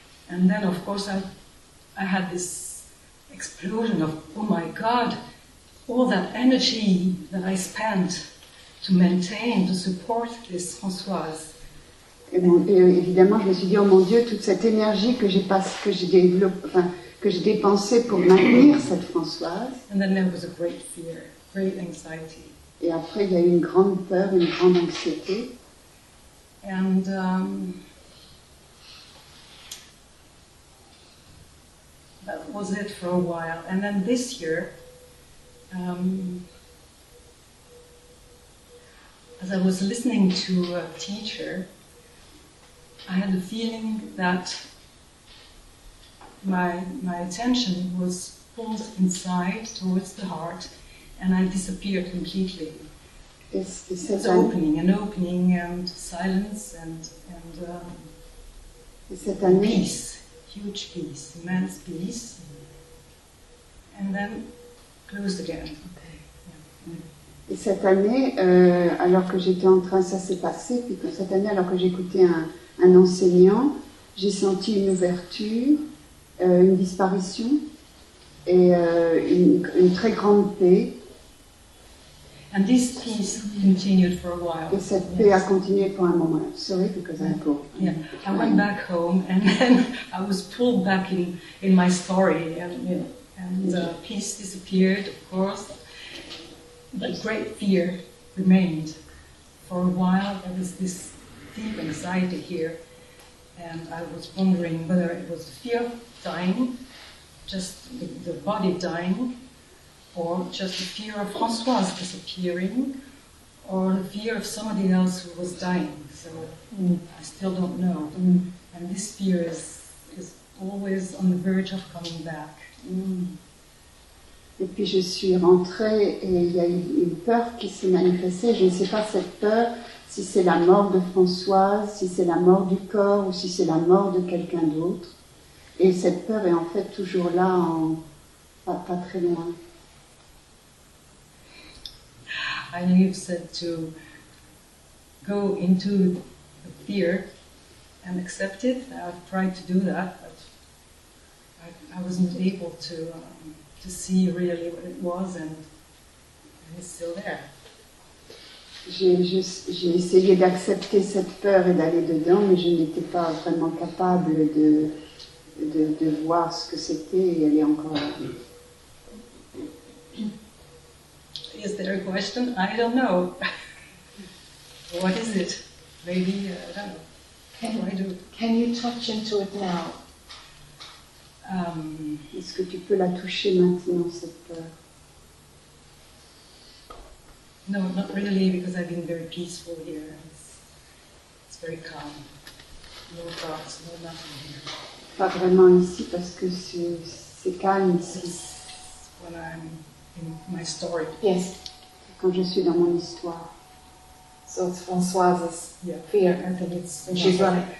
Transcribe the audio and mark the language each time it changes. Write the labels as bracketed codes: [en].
[en] And then of course I had this explosion of, oh my God, all that energy that I spent to maintain, to support this Françoise. [fr] Et bon, et évidemment, je me suis dit, oh mon Dieu, toute cette énergie que j'ai, j'ai dépensée pour maintenir cette Françoise. [en] And then there was a great fear, great anxiety. [fr] Et après, il y a eu une grande peur, une grande anxiété. [en] And that was it for a while. And then this year, as I was listening to a teacher, I had a feeling that my attention was pulled inside towards the heart, and I disappeared completely. It's an opening and silence and peace. Huge peace, immense peace, and then closed again. [fr] Et cette année, alors que j'étais en train, ça s'est passé, puis cette année, alors que j'écoutais un enseignant, j'ai senti une ouverture, une disparition, et une très grande paix. [en] And this peace continued for a while. [fr] Et cette paix a continué pour un moment. [en] Sorry, because I'm poor. Yeah, I went back home, and then I was pulled back in my story, peace disappeared, of course. But great fear remained for a while. There was this deep anxiety here, and I was wondering whether it was fear dying, just the body dying, or just the fear of Françoise disappearing, or the fear of somebody else who was dying. So I still don't know. Mm. And this fear is always on the verge of coming back. Mm. [fr] Et puis je suis rentrée et il y a une peur qui s'est manifestée. Je ne sais pas cette peur, si c'est la mort de Françoise, si c'est la mort du corps ou si c'est la mort de quelqu'un d'autre. Et cette peur est en fait toujours là, pas très loin. [en] I knew you said to go into the fear and accept it. I've tried to do that, but I wasn't able to. To see really what it was, and it's still there. [fr] J'ai essayé d'accepter cette peur et d'aller dedans, mais je n'étais pas vraiment capable de voir ce que c'était, et elle est encore là. [en] Is there a question? I don't know. What is it? Maybe, I don't know. Can you touch into it now? [fr] Est-ce que tu peux la toucher maintenant, cette peur? [en] No, not really, because I've been very peaceful here. It's very calm. No thoughts, no nothing here. [fr] Pas vraiment ici, parce que c'est calme ici. [en] When I'm in my story. Yes. [fr] Quand je suis dans mon histoire. [en] So it's Françoise's fear. I think it's she's running.